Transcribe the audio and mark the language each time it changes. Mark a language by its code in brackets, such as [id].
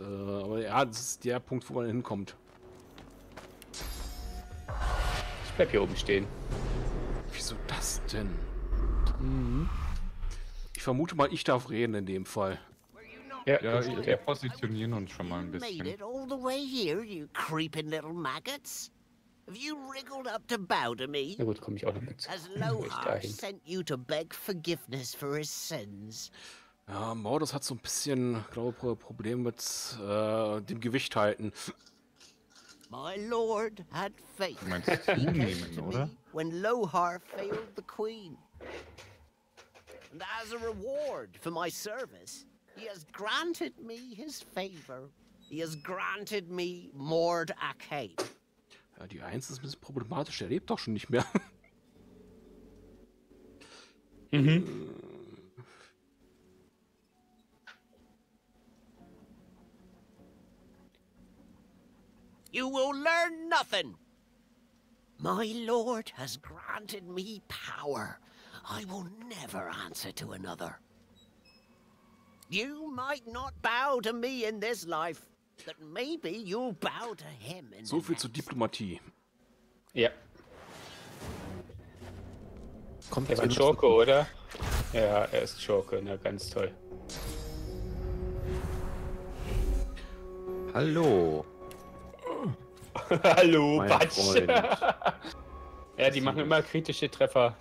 [de] Aber ja, das ist der Punkt, wo man hinkommt. Ich bleib hier oben stehen. Wieso das denn? Mhm. Ich vermute mal, ich darf reden in dem Fall. Ja, wir positionieren uns schon mal ein bisschen. [en] Made it all the way here, you creeping little maggots. Have you wriggled up to bow to me? [de] Na gut, komm ich auch noch mit. [en] Has Lohar sent you to beg forgiveness for his sins? [de] Ja, Mordus hat so ein bisschen, glaube ich, Probleme mit dem Gewicht halten. [en] My lord had faith. [de] Du meinst zunehmen, oder? [en] When Lohar failed the queen. And as a reward for my service, he has granted me his favor. He has granted me Mord Arcane. [de] Ja, die Eins ist ein bisschen problematisch. Er lebt doch schon nicht mehr. Mhm. [en] You will learn nothing. My lord has granted me power. I will never answer to another. You might not bow to me in this life, but maybe you'll bow to him in [de] so viel zur Diplomatie. Ja. Kommt er ist Schurke, oder? Ja, er ist Schurke, na ganz toll. Hallo. Hallo, Patsch. Ja, die machen immer kritische Treffer.